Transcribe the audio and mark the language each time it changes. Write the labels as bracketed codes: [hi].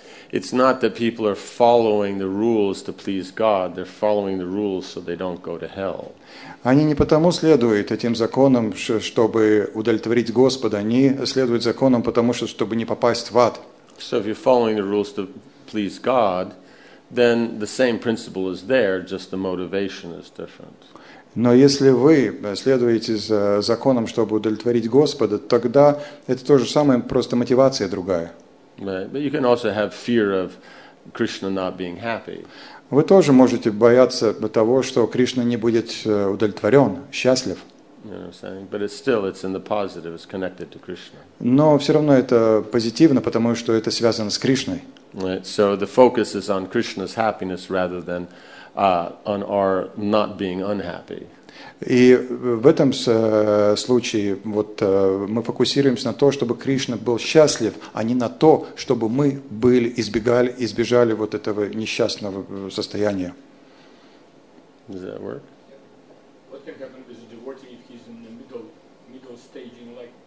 [en] It's not that people are following the rules to please God, they're following the rules so they don't go to hell. [ru] Они не потому следуют этим законам, чтобы удовлетворить Господа, они следуют законам потому, что чтобы не попасть в ад. [en] So if you're following the rules to please God, then the same principle is there, just the motivation is different. [ru] Но если вы следуете за законом, чтобы удовлетворить Господа, тогда это то же самое, просто мотивация другая. [en] Right. But you can also have fear of Krishna not being happy. [ru] Вы тоже можете бояться того, что Кришна не будет удовлетворен, счастлив. [en] You know what I'm saying? But it's in the positive, it's connected to Krishna. [ru] Но все равно это позитивно, потому что это связано с Кришной. [en] Right. So the focus is on Krishna's happiness rather than on our not being unhappy. [ru] И в этом случае вот, мы фокусируемся на то, чтобы Кришна был счастлив, а не на то, чтобы мы были, избежали вот этого несчастного состояния. [en] Does that work? What can happen with a devotee if he's in the middle stage in life?